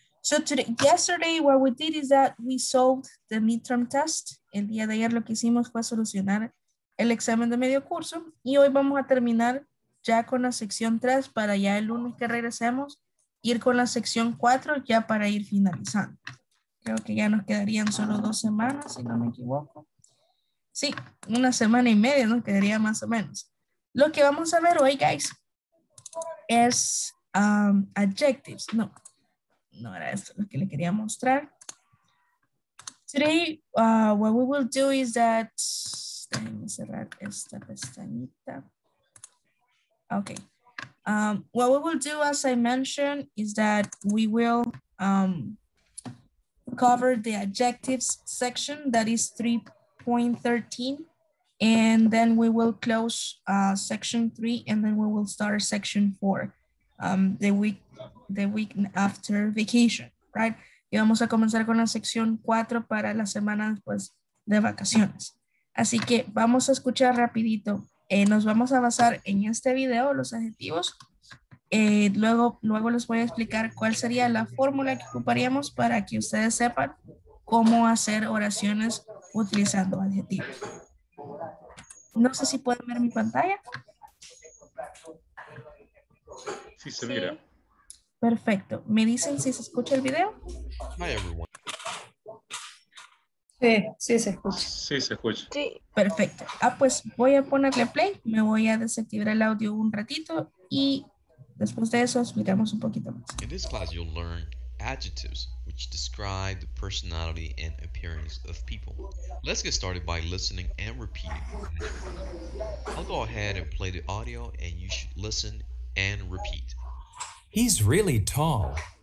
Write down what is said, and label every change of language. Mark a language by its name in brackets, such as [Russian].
[English] So yesterday what we did is that we solved the midterm test. [Spanish] El día de ayer lo que hicimos fue solucionar el examen de medio curso y hoy vamos a terminar ya con la sección 3 para ya el lunes que regresemos ir con la sección 4 ya para ir finalizando. Creo que ya nos quedarían solo 2 semanas, si no me equivoco. Sí, 1 semana y media nos quedaría más o menos. Lo que vamos a ver hoy, guys, es adjectives. No era eso lo que le quería mostrar. [English] Today, what we will do is that... [Spanish] Déjenme cerrar esta pestañita. [English] Okay. What we will do, as I mentioned, is that we will cover the adjectives section, that is 3.13, and then we will close section 3, and then we will start section 4. The week after vacation, right? [Spanish] Y vamos a comenzar con la sección 4 para la semana después de vacaciones. Así que vamos a escuchar rapidito. Nos vamos a basar en este video, los adjetivos. Luego les voy a explicar cuál sería la fórmula que ocuparíamos para que ustedes sepan cómo hacer oraciones utilizando adjetivos. No sé si pueden ver mi pantalla. Sí, se mira. Perfecto. ¿Me dicen si se escucha el video? [English] Hi, everyone. [Spanish] Sí, se escucha. Sí, se escucha. Sí. Perfecto. Ah, pues voy a ponerle play. Me voy a desactivar el audio un ratito y después de eso explicamos un poquito más. [English] In this class, you'll learn adjectives which describe the personality and appearance of people. Let's get started by listening and repeating. I'll go ahead and play the audio and you should listen and repeat. He's really tall.